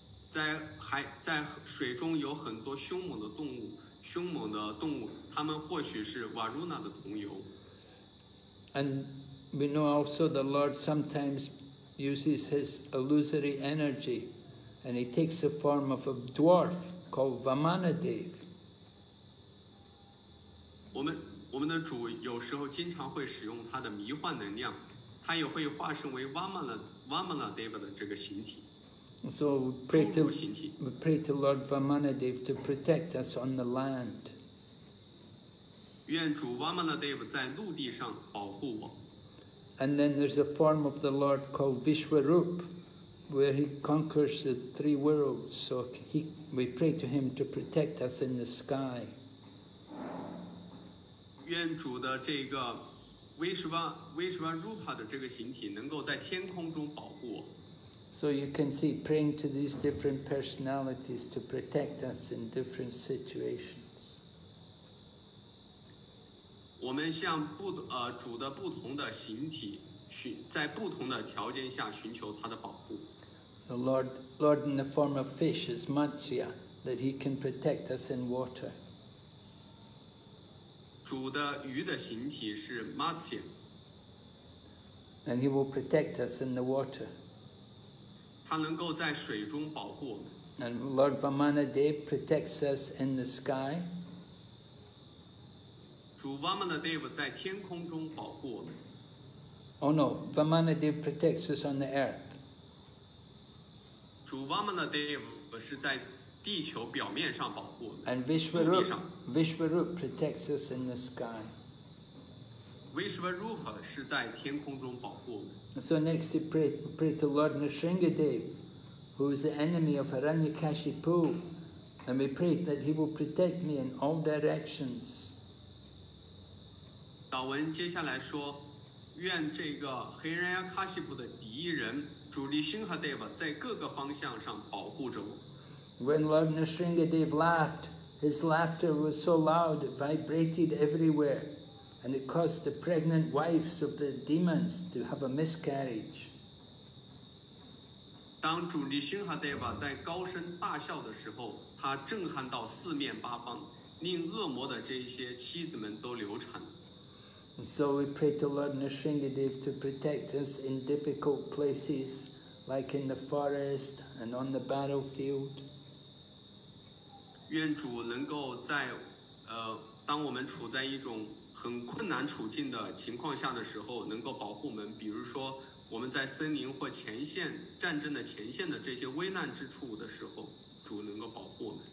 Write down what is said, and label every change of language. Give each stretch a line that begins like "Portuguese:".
Chinese: 在水中有很多凶猛的动物，凶猛的动物，它们或许是 Varuna 的同游。
English: And we know also the Lord sometimes. Uses his illusory energy, and he takes the form of a dwarf called Vamanadev.
Chinese: 我们的主有时候经常会使用他的迷幻能量，他也会化身为 Vamanadev 的这个形体。
English: So we pray to Lord Vamanadev to protect us on the land.
Chinese: 愿主 Vamanadev 在陆地上保护我。
English: And then there's a form of the Lord called Vishwarup, where he conquers the three worlds. So we pray to him to protect us in the sky.
Chinese: 愿主的这个 Vishwarupa 的这个形体能够在天空中保护我。
English: So you can see praying to these different personalities to protect us in different situations.
Chinese: 我们向主的不同的形体在不同的条件下寻求他的保护。
English: The Lord in the form of fish is Matsya, that he can protect us in water.
Chinese: 主的鱼的形体是 Matsya.
English: And he will protect us in the water.
Chinese: 他能够在水中保护我们。
English: And Lord Vamanadev protects us in the sky.
Chinese: 主 Vamanadev 在天空中保护我们。
English: Oh no, Vamanadev protects us on the earth.
Chinese: 主 Vamanadev 是在地球表面上保护我们。
English: And Vishwarup protects us in the sky.
Chinese: Vishwarup 是在天空中保护我们。
English: So next you pray to Lord Nrisingadev, who is the enemy of Hiranyakashipu, and we pray that he will protect me in all directions.
Chinese: 祷文接下来说，愿这个黑人亚卡西普的敌人主力辛哈德瓦在各个方向上保护着我。
English: When Lord Nrisimhadeva laughed, his laughter was so loud it vibrated everywhere, and it caused the pregnant wives of the demons to have a miscarriage.
Chinese: 当主力辛哈德瓦在高声大笑的时候，他震撼到四面八方，令恶魔的这些妻子们都流产。
English: And so we pray to Lord Nrisimhadeva to protect us in difficult places, like in the forest and on the battlefield.
Chinese: 愿主能够在，当我们处在一种很困难处境的情况下的时候，能够保护我们。比如说，我们在森林或前线战争的前线的这些危难之处的时候，主能够保护我们。